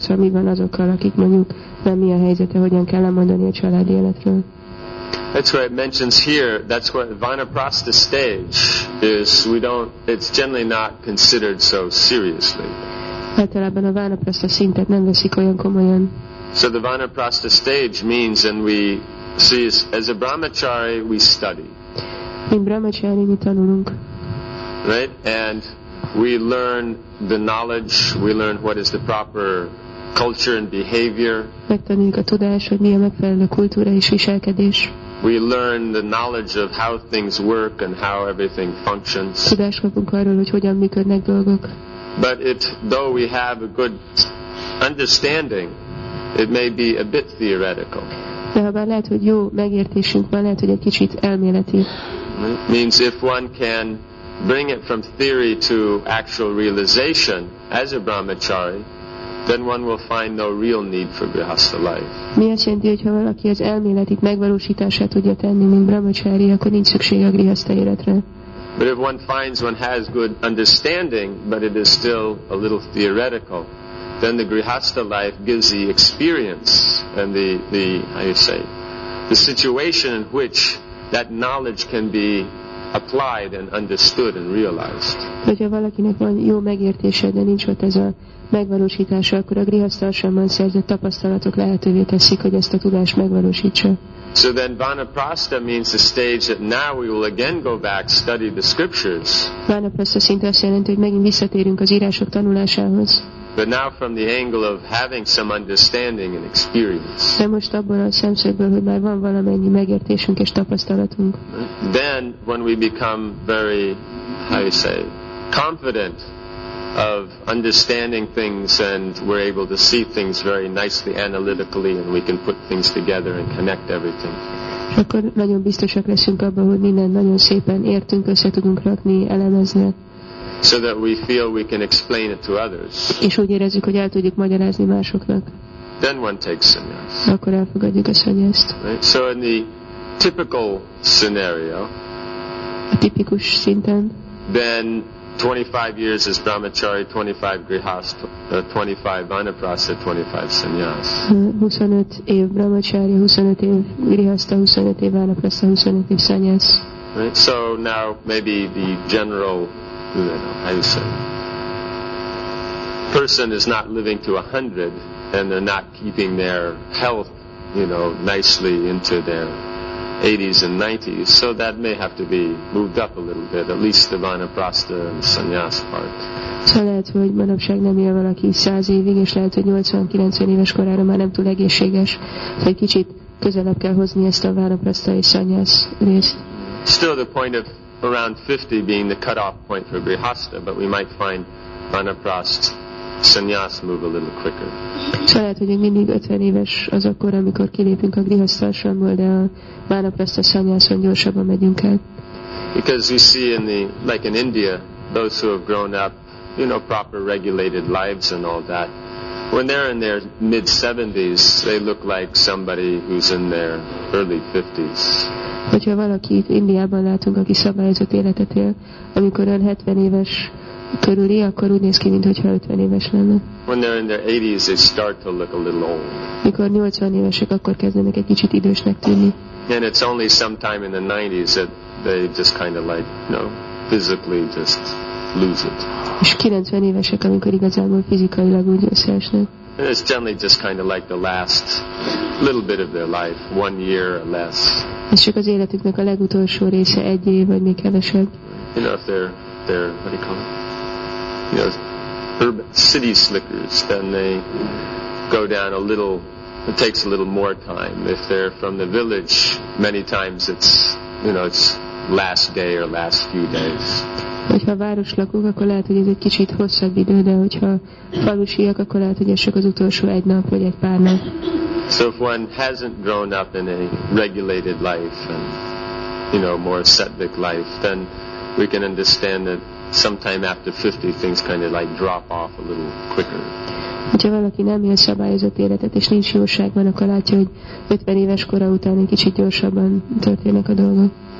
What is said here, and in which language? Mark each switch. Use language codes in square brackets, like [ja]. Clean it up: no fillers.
[hu] Szóval mi van azokkal, akik mondjuk nem mi a helyzete, hogyan kell lemondani a család életről. [en] That's what it mentions here. That's what Vanaprastha stage is. It's generally not considered so seriously. [hu] Általában a Vanaprastha szintet nem veszik olyan komolyan. [en] So the Vanaprastha stage means, and we see, as a brahmachari, we study. [hu] Mi brahmachari, mi tanulunk. [en] Right? And we learn the knowledge, we learn what is the proper culture and behavior. [hu] Megtanuljuk a tudást, hogy mi a megfelelő kultúra és viselkedés. [en] We learn the knowledge of how things work and how everything functions. [hu] Tudást kapunk arról, hogy hogyan működnek dolgok. [en] But though we have a good understanding, it may be a bit theoretical. [hu] De ha bár lehet, hogy jó megértésünk van, lehet, hogy egy kicsit elméleti. [en] Means if one can bring it from theory to actual realization as a brahmachari, then one will find no real need for grihastha life. [hu] Mi azt jelenti, hogy ha valaki az elméletit megvalósítását tudja tenni, mint brahmachari, akkor nincs szükség a grihastha életre. [en] But if one finds one has good understanding, but it is still a little theoretical, then the grihastha life gives the experience and the situation in which that knowledge can be applied and understood and realized. [hu] Hogyha valakinek van jó megértése, de nincs ott ez a megvalósítása, akkor a grihastha ashramban szerzett tapasztalatok lehetővé teszik, hogy ezt a tudást megvalósítsa. [en] So then Vanaprastha means the stage that now we will again go back, study the scriptures. [hu] Vanaprastha szinte azt jelenti, hogy megint visszatérünk az írások tanulásához. [en] But now from the angle of having some understanding and experience. [hu] De most abból a szemszögből, hogy már van valamennyi megértésünk és tapasztalatunk. [en] Then when we become very, how do you say, confident of understanding things and we're able to see things very nicely analytically and we can put things together and connect everything. [hu] Akkor nagyon biztosak leszünk abban, hogy minden nagyon szépen értünk, össze tudunk rakni, elemezni. [en] So that we feel we can explain it to others. [hu] És úgy érezzük, hogy el tudjuk magyarázni másoknak. [en] Then one takes sannyas. [hu] Akkor elfogadjuk a sannyaszt. [en] Right? So in the typical scenario, [hu] a tipikus szinten, [en] then 25 years as brahmachari, 25 grihast, 25 vanaprastha, 25 sannyas. [hu] 25 év brahmachari, 25 év grihastha, 25 év vanaprastha, 25 év sannyas. [en] Right? So now maybe the general, how you say, person is not living to 100 and they're not keeping their health, you know, nicely into their 80s and 90s, so that may have to be moved up a little bit, at least the vanaprastha and sannyas part. [hu] So lehet, hogy manapság nem él valaki 100 évig, és lehet, hogy 80-90 éves korára már nem túl egészséges, tehát egy kicsit közelebb kell hozni ezt a vanaprastha és sannyas részt. [en] Still the point of around 50 being the cut-off point for grihastha, but we might find vanaprastha sannyas move a little quicker. [hu] So lehet, hogy mindig 50 éves az akkor, amikor kilépünk a grihasztásomból, de a vanaprastha sannyason gyorsabban megyünk el. [en] Because you see in the, like in India, those who have grown up, you know, proper regulated lives and all that, when they're in their mid-70s, they look like somebody who's in their early 50s. [hu] Hogyha valaki itt Indiában látunk, aki szabályozott életet él, amikor olyan 70 éves körüli, akkor úgy néz ki, mintha 50 éves lenne. [en] When they're in their 80s, they start to look a little old. [hu] Mikor 80 évesek, akkor kezdenek egy kicsit idősnek tűnni. [en] And it's only sometime in the 90s that they just kind of like, you know, physically just lose it. [hu] És 90 évesek, amikor igazából fizikailag úgy összeesnek. [en] And it's generally just kind of like the last little bit of their life, one year or less. [hu] Ez csak az életüknek a legutolsó része, egy év, vagy még kevesebb. [en] You know, if they're what do you call it? You know, urban city slickers, then they go down a little, it takes a little more time. If they're from the village, many times it's, you know, it's last day or last few days. [hu] Hogyha városlakók, akkor lehet, hogy ez egy kicsit hosszabb idő, de hogyha falusiak, akkor lehet, hogy ez csak az utolsó egy nap, vagy egy pár nap. [en] So if one hasn't grown up in a regulated life and, you know, more ascetic life, then we can understand that sometime after 50 things kind of like drop off a little quicker. [hu] Hogyha valaki nem él szabályozott életet és nincs jóságban, akkor látja, hogy 50 éves kora után egy kicsit gyorsabban történnek a dolgok.